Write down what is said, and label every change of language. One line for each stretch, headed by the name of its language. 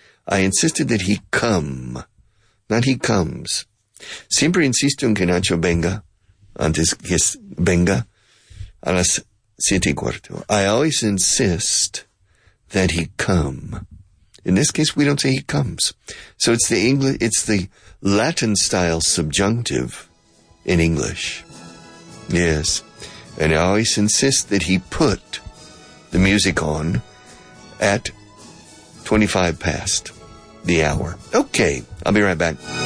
English: I insisted that he come, not he comes.
Spanish: Siempre insisto en que Nacho venga, antes que venga, a las siete y cuarto.
English: I always insist that he come. In this case, we don't say he comes. So it's the English, it's the Latin style subjunctive in English. Yes. And I always insist that he put the music on at 25 past the hour. Okay. I'll be right back.